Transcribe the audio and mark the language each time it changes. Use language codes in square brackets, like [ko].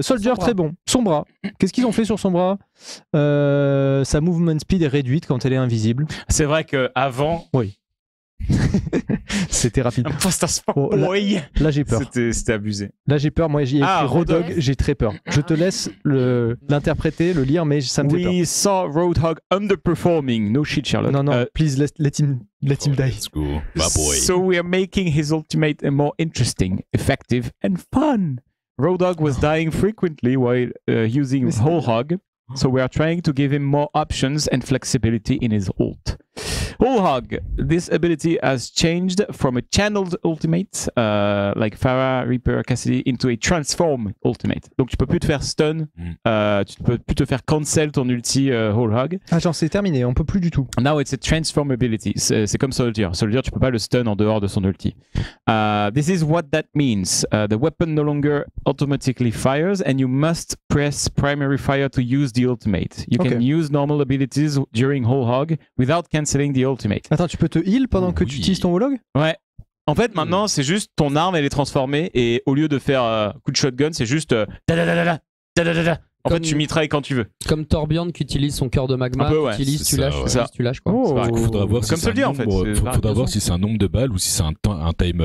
[fr] Soldier très bon, son bras, qu'est-ce qu'ils ont fait sur son bras? Sa movement speed est réduite quand elle est invisible. C'est vrai qu'avant... Oui, c'était rapide. Là j'ai peur. C'était abusé. Là j'ai peur, moi j'ai écrit Roadhog, j'ai très peur. Je te laisse l'interpréter, le lire, mais ça me fait peur. [en] We saw Roadhog underperforming, no shit Sherlock. Non, please let him die. Let's go, my boy. So we are making his ultimate more interesting, effective and fun. Roadhog was dying frequently while using Whole Hog, so we are trying to give him more options and flexibility in his ult. Whole Hog, this ability has changed from a channeled ultimate, like Pharah, Reaper, Cassidy, into a transform ultimate. [fr] Donc tu peux plus te faire stun, tu peux plus te faire cancel ton ulti Whole Hog. Ah genre c'est terminé, on peut plus du tout. [en] Now it's a transform ability, [fr] c'est comme Soldier. Soldier, tu peux pas le stun en dehors de son ulti. [en] This is what that means. The weapon no longer automatically fires and you must press primary fire to use the ultimate. You can use normal abilities during Whole Hog without cancelling the ultimate. [fr] Attends, tu peux te heal pendant que tu utilises ton holog? Ouais. En fait, maintenant, c'est juste ton arme, elle est transformée et au lieu de faire coup de shotgun, c'est juste da-da-da-da-da-da-da-da. En fait, tu mitrailles quand tu veux. Comme Torbjorn qui utilise son cœur de magma, tu lâches, quoi. Faudra voir si c'est un nombre de balles ou si c'est un timer.